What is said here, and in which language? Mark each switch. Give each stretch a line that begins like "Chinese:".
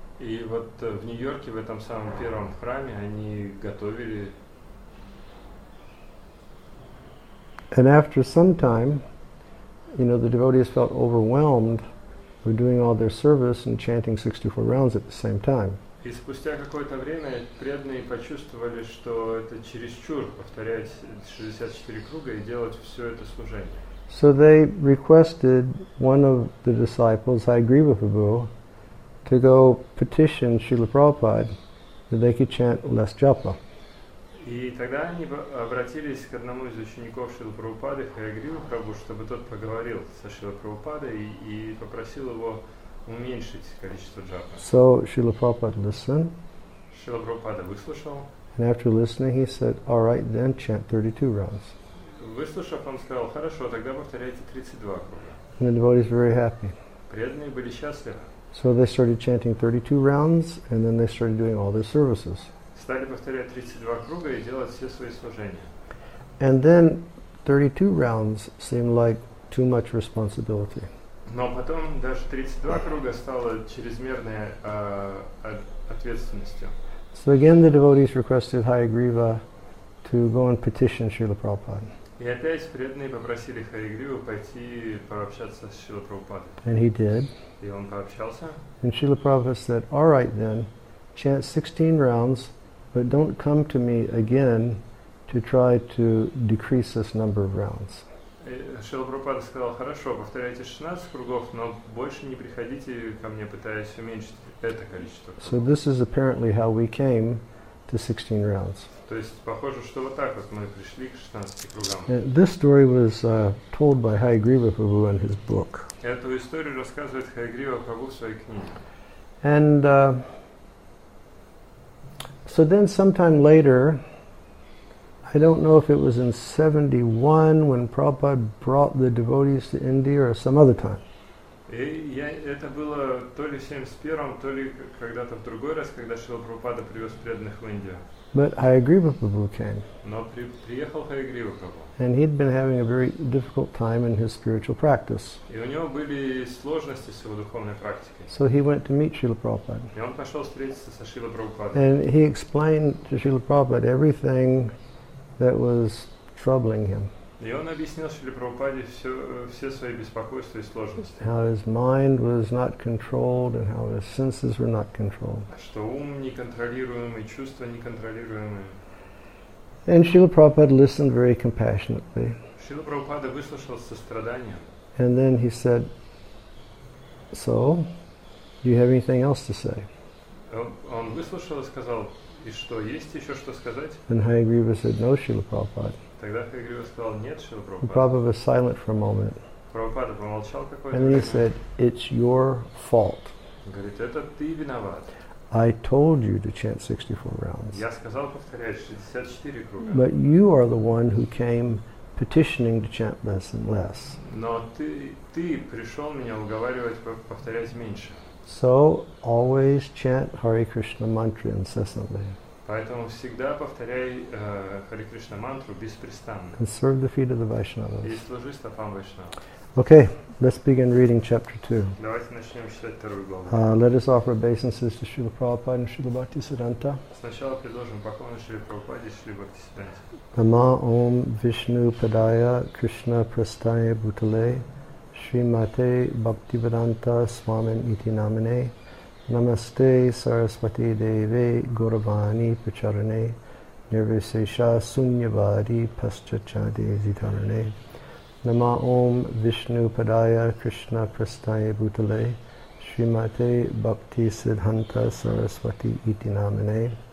Russian: И вот в Нью-Йорке в этом самом первом храме они готовили.
English: And after some time, you know, the devotees felt overwhelmed with doing all their service and chanting 64 rounds at the same time.
Russian: И спустя какое-то время преданные почувствовали, что это чересчур повторять 64 круга и делать все это служение.
English: So they requested one of the disciples, Sahagriva Prabhu, to go petition Srila Prabhupada that they could chant less japa.
Russian: И тогда они обратились к одному из учеников Шрилы Прабхупады, Хаягрива Прабху, чтобы тот поговорил со Шрилой Прабхупадой и попросил его уменьшить количество джапа.
English: So Srila Prabhupada listened.
Russian: Шрила Прабхупада выслушал.
English: And after listening, he said, all right, then chant 32 rounds.
Russian: Выслушав, он сказал, хорошо, тогда повторяйте 32 круга.
English: And the devotees were very happy.
Russian: Преданные были счастливы.
English: So they started chanting 32 rounds, and then they started doing all their services.
Russian: Стали повторять 32 круга и делать все свои служения.
English: And then 32 rounds seemed like too much responsibility.
Russian: Но потом даже 32 круга стало чрезмерной ответственностью.
English: So again the devotees requested Hayagriva to go and petition Srila Prabhupada.
Russian: И опять преданные попросили Хари Гриву пойти пообщаться с Шрилой Прабхупадой.
English: And he did.
Russian: И он пообщался.
English: And Srila Prabhupada said, "All right then, chant 16 rounds, but don't come to me again to try to decrease this number of rounds."
Russian: Шрила Прабхупада сказал, хорошо, повторяйте 16 кругов, но больше не приходите ко мне, пытаясь уменьшить это количество.
English: So this is apparently how we came to 16 rounds.
Russian: То есть, похоже, что вот так вот мы пришли к 16 кругам.
English: This story was told by Hayagriva Prabhu in his book.
Russian: Эту историю рассказывает Хайгрива Прабху в своей книге.
English: And so then sometime later, I don't know if it was in 71 when Prabhupada brought the devotees to India or some other time.
Russian: Это было то ли в 71-м, то ли когда-то в другой раз, когда Шрила Прабхупада привез преданных в Индию.
English: But Hayagriva Prabhu came.
Russian: Но приехал Хайагрива Прабху.
English: And he'd been having a very difficult time in his spiritual practice.
Russian: И у него были сложности с его духовной практикой.
English: So he went to meet Srila Prabhupada.
Russian: И он пошел встретиться со Шрилой Прабхупадой.
English: And he explained to Srila Prabhupada everything that was troubling him.
Russian: И он объяснил Шриле Прабхупаде все свои беспокойства и сложности.
English: How his mind was not controlled and how his senses were not controlled.
Russian: Что ум неконтролируемый, чувства неконтролируемые.
English: And Srila Prabhupada listened very compassionately.
Russian: Шрила Прабхупада выслушал со страданием.
English: And then he said, "So, do you have anything else to say?"
Russian: Он выслушал и сказал, и что, есть еще что сказать?
English: And Hayagriva said, "No, Srila Prabhupada."
Russian: Тогда Хайгрива сказал, нет, Шрила Прабхупада.
English: And Prabhupada was silent for a moment.
Russian: Прабхупада помолчал какое-то время.
English: And then he said, "It's your fault."
Russian: Говорит, это ты виноват.
English: I told you to chant 64 rounds.
Russian: Я сказал повторять 64 круга.
English: But you are the one who came petitioning to chant less and less.
Russian: Но ты пришел меня уговаривать повторять меньше.
English: So always chant Hare Krishna mantra incessantly.
Russian: Поэтому всегда повторяй Hare Krishna mantra беспрестанно.
English: And serve the feet of the Vaishnavas.
Russian: И служи стопам Вайшнавов.
English: Okay, let's begin reading chapter 2.
Russian: Давайте начнем читать вторую главу.
English: Let us offer obeisances to Srila Prabhupada and Srila Bhaktisiddhanta.
Russian: Сначала предложим поклоны Шриле Прабхупаде и Шриле Бхактисиддханте.
Sanskrit: Нама Ом Вишну Падая Кришна Прастая Бутале Шримате Бхактивиданта Свамин Ити Намине Намасте Сарасвати Деве Гуравани Пачаране Нирвисеша Суньявади Пасчачаде Зитаране Nama Om Vishnu Padaya Krishna Prastaye Bhutale Srimate Bhakti Siddhanta Saraswati Iti Namine